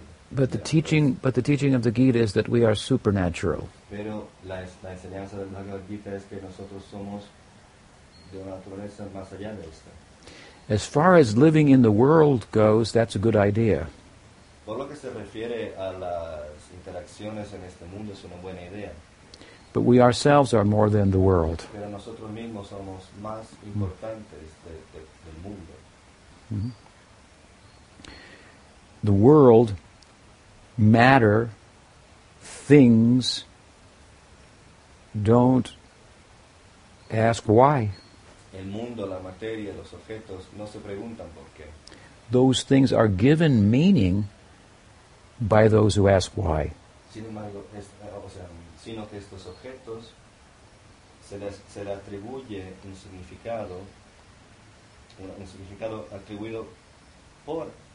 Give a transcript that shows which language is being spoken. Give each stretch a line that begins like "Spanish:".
English: But the teaching of the Gita is that we are supernatural.
Spanish: Pero la enseñanza del Bhagavad Gita es que nosotros somos de una naturaleza más allá de esta.
English: As far as living in the world goes, that's a good idea.
Spanish: Por lo que se refiere a las interacciones en este mundo es una buena idea.
English: But we ourselves are more than the world.
Spanish: Pero nosotros mismos somos más importantes del mundo.
English: The world, matter, things, don't ask why.
Spanish: El mundo, la materia, los objetos, no se preguntan por qué.
English: Those things are given meaning by those who ask why.
Spanish: Sin embargo, sino que estos objetos se les atribuye un significado atribuido por